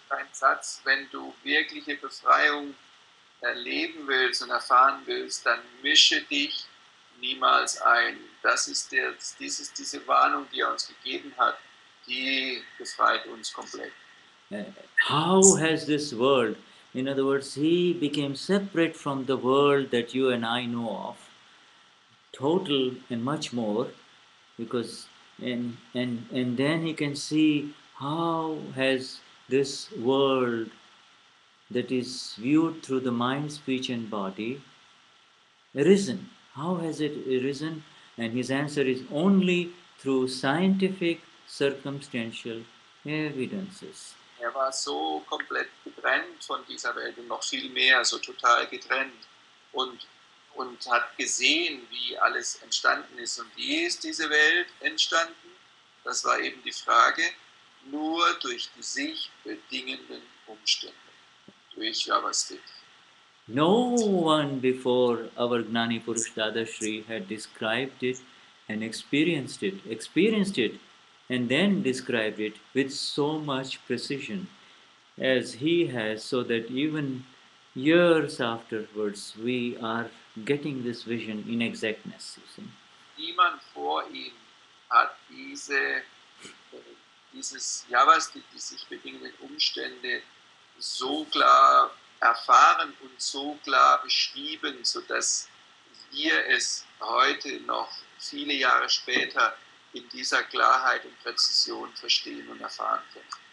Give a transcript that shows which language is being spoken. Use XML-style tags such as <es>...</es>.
<de>Ein Satz, wenn du wirkliche Befreiung erleben willst und erfahren willst, dann mische dich niemals ein. Das ist diese Warnung, die er uns gegeben hat, die befreit uns komplett.</de> <en>How has this world, in other words, he became separate from the world that you and I know of, total and much more, because and then he can see how has this world that is viewed through the mind, speech and body arisen. How has it arisen? And his answer is only through scientific circumstantial evidences.</en> <de>Er war so komplett getrennt von dieser Welt und noch viel mehr, so total getrennt, und hat gesehen, wie alles entstanden ist. Und wie ist diese Welt entstanden? Das war eben die Frage. Nur durch die sich bedingenden Umstände, durch Vyavasthit.</de> <en>No one before our Gnani Purush Dadashri had described it and experienced it. And then described it with so much precision as he has, so that even years afterwards we are getting this vision in exactness, you see.</en> <de>Niemand vor ihm hat dieses Vyavasthit, die sich bedingenden Umstände, so klar erfahren und so klar beschrieben, so dass wir es heute noch viele Jahre später in dieser Klarheit und Präzision verstehen und erfahren können.</de>